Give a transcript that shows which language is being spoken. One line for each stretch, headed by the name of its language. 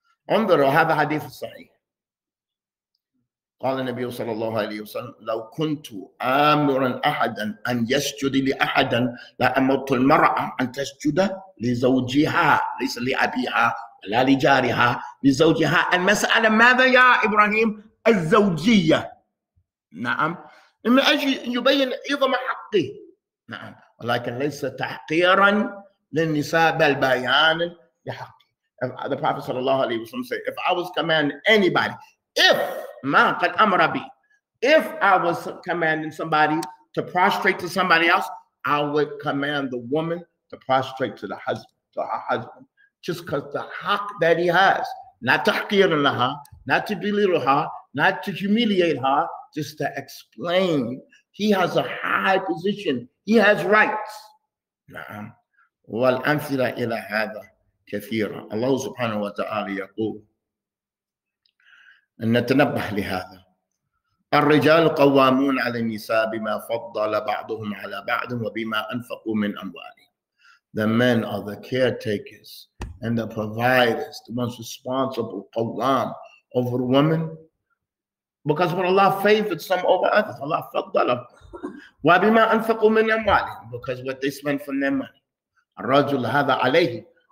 Arabic: انظروا هذا حديث صحيح. قال النبي صلى الله عليه وسلم لو كنت آمرا أحدا أن يسجد لأحدا لأمرت المرأة أن تسجد لزوجها ليس لأبيها. لا لجارها لزوجها. المسألة ماذا يا إبراهيم؟ الزوجية. نعم. من أجل يبين عظم حقه. نعم. ولكن ليس تحقيرا للنساء بل بيانا لحقه.
English: The Prophet
Arabic: صلى الله عليه وسلم
English: said, if I was commanding anybody, if
Arabic: ما قد أمر بي,
English: if I was commanding somebody to prostrate to somebody else, I would command the woman to prostrate to the husband, to her husband. Just because the haq that he has, not to haqir laha, not to belittle her, not to humiliate her, just to explain he has a high position, he has rights.
Arabic: نعم. والأمثلة إلى هذا كثيرة. الله سبحانه وتعالى يقول أن نتنبه لهذا. الرجال قوامون على النساء بما فضل بعضهم على بعض وبما أنفقوا من أموالهم.
English: The men are the caretakers and the providers, the ones responsible, qawwam, over women. Because when Allah favored some over others, Allah faddala.
Arabic: وَبِمَا أَنْفَقُوا مِنْ أَمْوَالِهِمْ.
English: Because what they spend from their money.
Arabic: الرَّجُلْ هَذَا عَلَيْهِ.